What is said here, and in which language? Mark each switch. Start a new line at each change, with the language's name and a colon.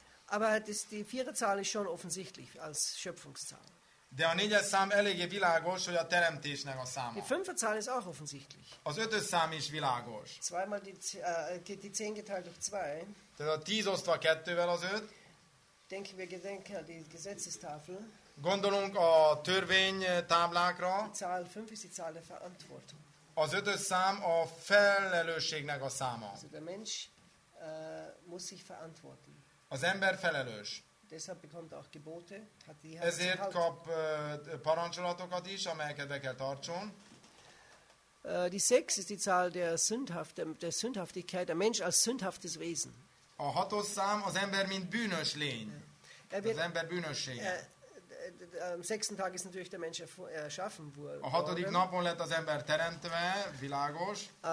German: Aber das, die vierte Zahl ist schon offensichtlich als Schöpfungszahl.
Hungarian: De a négyes szám eléggé világos, hogy a teremtésnek a száma.
German: Die fünfte Zahl ist auch offensichtlich.
Hungarian: Az ötös szám is világos.
German: Zweimal die 10 geteilt durch 2.
Hungarian: Tehát a 10 osztva kettővel az 5.
German: Denken wir gedenken an die Gesetzestafel.
Hungarian: Gondolunk a törvény táblákra.
German: Die Zahl 5 ist die Zahl der Verantwortung.
Hungarian: Az ötös szám a felelősségnek a száma.
German: Also der Mensch muss sich verantworten.
Hungarian: Az ember felelős.
German: Deshalb bekommt auch Gebote, hat die
Hungarian: Ezért kap parancsolatokat is, amelyeket be kell tartson.
German: Die 6 ist die Zahl der Sündhaftigkeit, der Mensch als sündhaftes Wesen.
Hungarian: A hatos szám az ember mint bűnös lény. Az ember bűnössége.
German: Am sechsten Tag ist natürlich der Mensch erschaffen worden.
Hungarian: A hatodik napon lett az ember teremtve, világos.